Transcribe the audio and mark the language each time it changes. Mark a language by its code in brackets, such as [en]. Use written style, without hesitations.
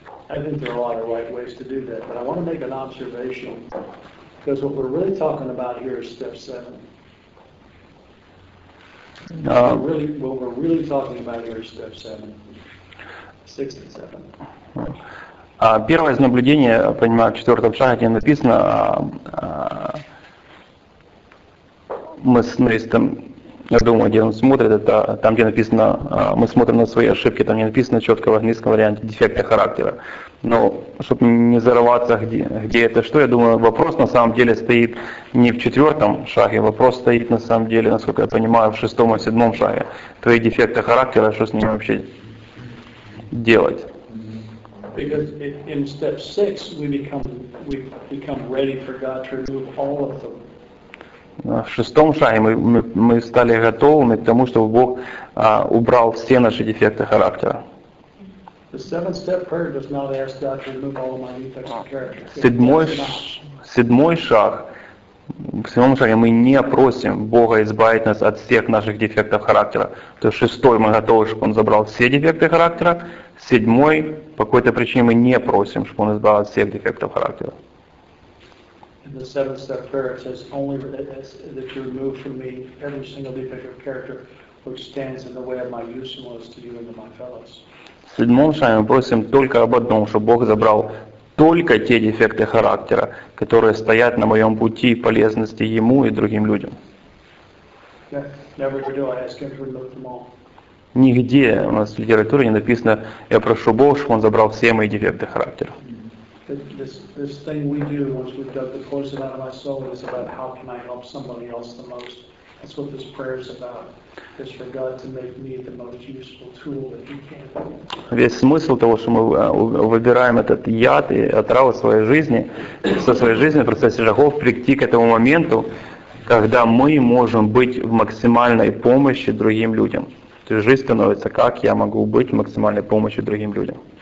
[en] I think there are a lot of right ways to do that, but I want to make an observation because what we're really talking about here is step seven. What we're really talking about here is step seven, six and seven. [ru] Первое из наблюдений, я понимаю, в четвертом шаге, где написано, мы смотрим на свои ошибки, там не написано четко в английском варианте дефекта характера. Но чтобы не зарываться, где это что, я думаю, вопрос на самом деле стоит не в четвертом шаге, вопрос стоит на самом деле, насколько я понимаю, в шестом и седьмом шаге. Твои дефекты характера, что с ними вообще делать? [en] Because in step six we become ready for God to remove all of them. [ru] В шестом шаге мы стали готовыми к тому, чтобы Бог убрал все наши дефекты характера. [en] The seventh step prayer does not ask God to remove all of my defects of character. [ru] В седьмом шаге мы не просим Бога избавить нас от всех наших дефектов характера. То есть шестой мы готовы, чтобы он забрал все дефекты характера. Седьмой, по какой-то причине, мы не просим, чтобы он избавил от всех дефектов характера. [en] Only that you remove from me every single defect of character. which stands in the way of my usefulness to you and to my fellows. [ru] В седьмом шаме мы просим только об одном, чтобы Бог забрал только те дефекты характера, которые стоят на моем пути полезности ему и другим людям. [en] Never do I ask him to remove them all. [ru] Нигде у нас в литературе не написано, я прошу Бога, чтобы он забрал все мои дефекты характера. [en] This thing we do, once we've dug the poison out of my soul, is about how can I help somebody else the most. That's what this prayer is about. It's for God to make me the most useful tool that he can. [ru] Весь смысл того, что мы выбираем этот яд и отраву своей жизни, со своей жизни в процессе шагов, прийти к этому моменту, когда мы можем быть в максимальной помощи другим людям. То есть жизнь становится, как я могу быть в максимальной помощи другим людям.